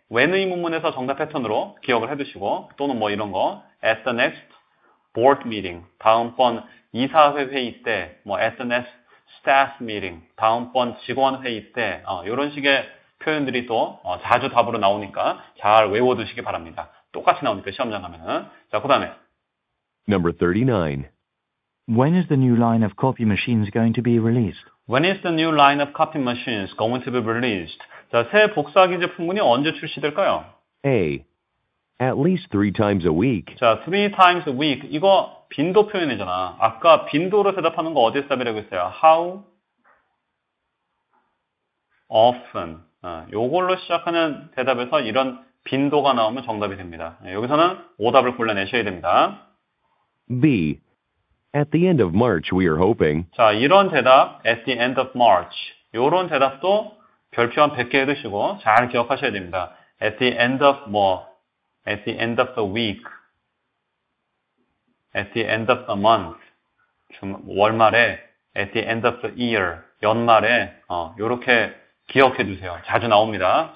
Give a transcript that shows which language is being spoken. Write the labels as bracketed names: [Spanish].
[Korean] when의 문문에서 정답 패턴으로 기억을 해두시고 또는 뭐 이런 거 [English] at the next board meeting [Korean] 다음번 이사회 회의 때 뭐 [English] at the next staff meeting [Korean] 다음번 직원 회의 때 이런 식의 표현들이 또 자주 답으로 나오니까 잘 외워두시기 바랍니다. 똑같이 나오니까 시험장 가면은. 자, 그 다음에 [English] Number 39 When is the new line of copy machines going to be released? When is the new line of copy machines going to be released? [Korean] 자, 새 복사기 제품군이 언제 출시될까요? [English] A. At least three times a week. [Korean] 자, three times a week. 이거 빈도 표현이잖아. 아까 빈도로 대답하는 거 어디에서 답이라고 했어요? [English] How often. [Korean] 요걸로 시작하는 대답에서 이런 빈도가 나오면 정답이 됩니다. 여기서는 오답을 골라내셔야 됩니다. [English] B. At the end of March, we are hoping. [Korean] 자, 이런 대답. [English] At the end of March. [Korean] 요런 대답도 별표 한 100개 해두시고 잘 기억하셔야 됩니다. [English] At the end of 뭐, at the end of the week, at the end of the month, [Korean] 월말에, [English] at the end of the year, [Korean] 연말에 이렇게 기억해두세요. 자주 나옵니다.